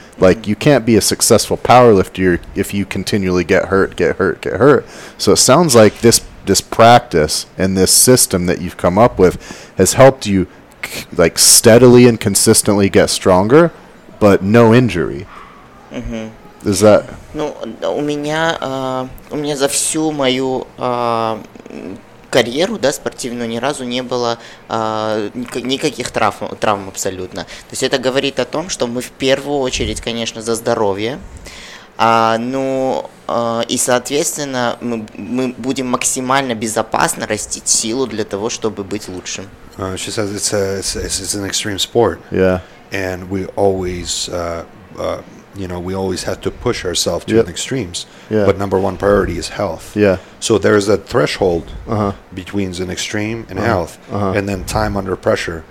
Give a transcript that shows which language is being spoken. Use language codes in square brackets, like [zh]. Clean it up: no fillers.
[en] Like, you can't be a successful powerlifter if you continually get hurt. So it sounds like this practice and this system that you've come up with has helped you, like, steadily and consistently get stronger, but no injury. Mm-hmm. Is that? [ru] Ну, у меня за всю мою карьеру, да, спортивную, ни разу не было никаких травм абсолютно. То есть это говорит о том, что мы в первую очередь, конечно, за здоровье, и, соответственно, мы будем максимально безопасно растить силу для того, чтобы быть лучшим. [en] She says it's an extreme sport. Yeah. And we always, you know, we always have to push ourselves to, yep, the extremes. Yeah. But number one priority is health. Yeah. So there is a threshold, uh-huh, between an extreme and, uh-huh, health, uh-huh, and then time under pressure.